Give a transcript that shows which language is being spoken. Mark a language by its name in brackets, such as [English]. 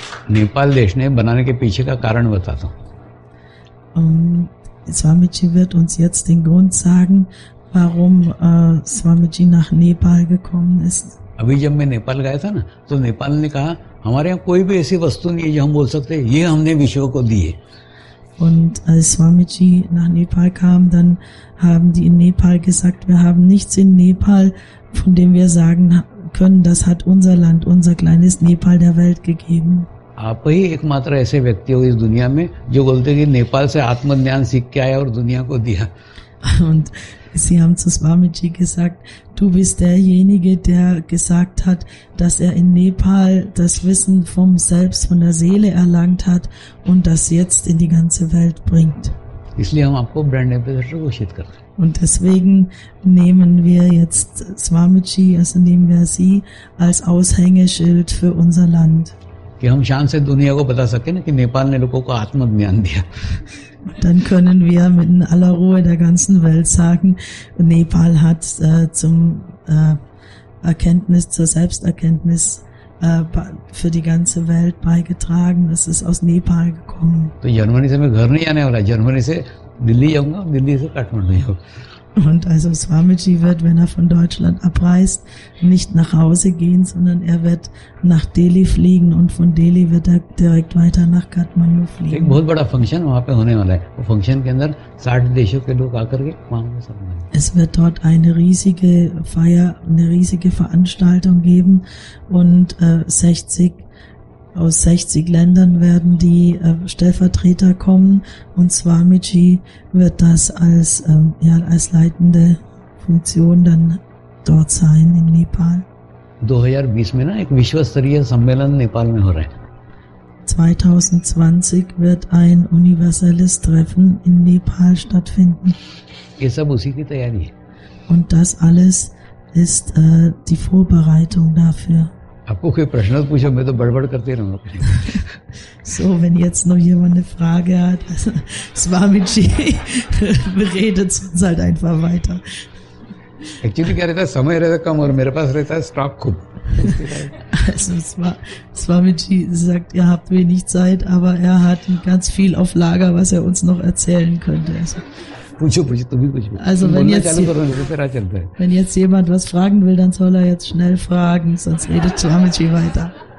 [Hindi] नेपाल देश ने बनाने के पीछे का कारण बताता हूँ। [German] Swamiji wird uns jetzt den Grund sagen, warum Swamiji nach Nepal gekommen ist. [Hindi] अभी जब मैं नेपाल गया था ना, तो नेपाल ने कहा, हमारे यहाँ कोई भी ऐसी वस्तु नहीं है जो हम बोल सकते, ये हमने विश्व को दी है। [German] Und als Swamiji nach Nepal kam, dann haben die in Nepal gesagt, wir haben nichts in Nepal, von dem wir sagen können, das hat unser Land, unser kleines Nepal der Welt gegeben. [Hindi] आप ही एकमात्र ऐसे व्यक्ति हो इस दुनिया में जो बोलते हैं कि नेपाल से आत्मज्ञान सीख के आया और दुनिया को दिया। [German] Und sie haben zu Swamiji gesagt, du bist derjenige, der gesagt hat, dass er in Nepal das Wissen vom Selbst, von der Seele erlangt hat und das jetzt in die ganze Welt bringt. [Hindi] इसलिए हम आपको brand ambassador घोषित करते हैं। [German] Und deswegen nehmen wir jetzt Swamiji, also nehmen wir sie als Aushängeschild für unser Land. [Hindi] कि हम शान से दुनिया को बता सके ना कि नेपाल ने लोगों को आत्मज्ञान दिया। [German] Dann können wir mit aller Ruhe der ganzen Welt sagen, Nepal hat zum Erkenntnis, zur Selbsterkenntnis für die ganze Welt beigetragen. Es ist aus Nepal gekommen. [Hindi] तो जर्मनी से मैं घर नहीं आने वाला, जर्मनी से दिल्ली जाऊंगा, दिल्ली से काठमांडू जाऊंगा। [German] Und also Swamiji wird, wenn er von Deutschland abreist, nicht nach Hause gehen, sondern er wird nach Delhi fliegen und von Delhi wird er direkt weiter nach Kathmandu fliegen. [Hindi] एक बहुत बड़ा फंक्शन वहाँ पे होने वाला है। वो फंक्शन के अंदर 60 देशों के लोग आकर के वहाँ में सम्मिलित होंगे। [German] Es wird dort eine riesige Feier, eine riesige Veranstaltung geben und 60 aus 60 Ländern werden die Stellvertreter kommen und Swamiji wird das als ja als leitende Funktion dann dort sein in Nepal. [Hindi] 2020 में ना एक विश्वस्तरीय सम्मेलन नेपाल में हो रहा है। [German] 2020 wird ein universelles Treffen in Nepal stattfinden. [Hindi] ये सब उसी की तैयारी है। [German] Und das alles ist die Vorbereitung dafür. [Hindi] आपको कोई प्रश्न पूछो मैं तो बड़बड़ करते रहूंगा. [German] So, wenn jetzt noch jemand eine Frage hat, Swamiji, redet uns halt einfach weiter. [Hindi] Actually, क्या रहता है समय रहता कम और मेरे पास रहता है स्टॉक खूब. [German] Also, Swamiji sagt, ihr habt wenig Zeit, aber er hat ganz viel auf Lager, was er uns noch erzählen könnte. Also, wenn jetzt jemand was fragen will, dann soll er jetzt schnell fragen, sonst redet Swamiji weiter.